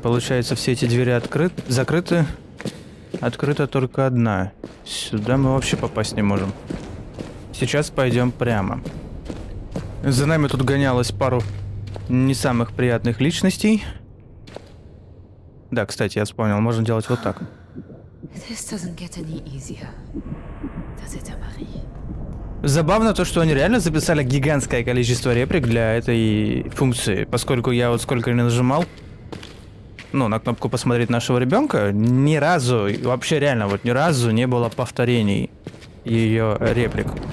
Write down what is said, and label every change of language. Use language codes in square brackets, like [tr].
[ru] Получается, все эти двери закрыты. Открыта только одна. Сюда мы вообще попасть не можем. Сейчас пойдем прямо. За нами тут гонялось пару не самых приятных личностей. Да, кстати, я вспомнил, можно делать вот так. [en] This doesn't get any easier, does it, Marie? [ru] Забавно то, что они реально записали гигантское количество реплик для этой функции, поскольку я вот сколько не нажимал, ну, на кнопку посмотреть нашего ребенка, ни разу, вообще реально вот ни разу не было повторений ее реплик.